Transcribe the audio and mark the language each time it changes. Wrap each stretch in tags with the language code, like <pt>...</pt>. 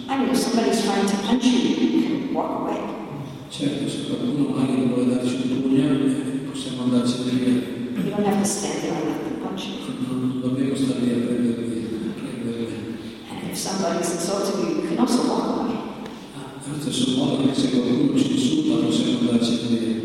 <en>I mean, if somebody's trying to punch you, you can walk away.</en> <it>Certo, se qualcuno magari vuole darci un pugno, possiamo andarci via.</it> <en>You don't have to stand there and let them punch you.</en> <it>Non dobbiamo stare lì a prendervi.</it> <en>And if somebody's insulting you, you can also walk away.</en> <it>Allo stesso modo, anche se qualcuno ci insulta, possiamo andarci via.</it>